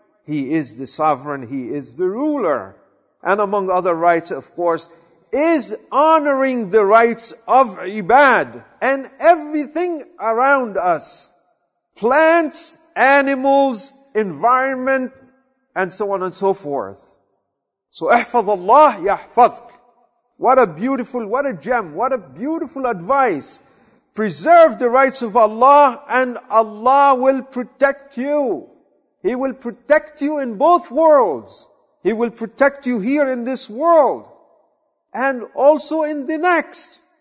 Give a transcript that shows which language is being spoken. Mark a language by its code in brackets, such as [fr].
[en] He is the sovereign, He is the ruler. And among other rights, of course, is honoring the rights of ibad and everything around us. Plants, animals, environment, and so on and so forth. [ar] So, احفظ الله يحفظك. [en] What a beautiful, what a gem, what a beautiful advice. Preserve the rights of Allah and Allah will protect you. He will protect you in both worlds. He will protect you here in this world and also in the next.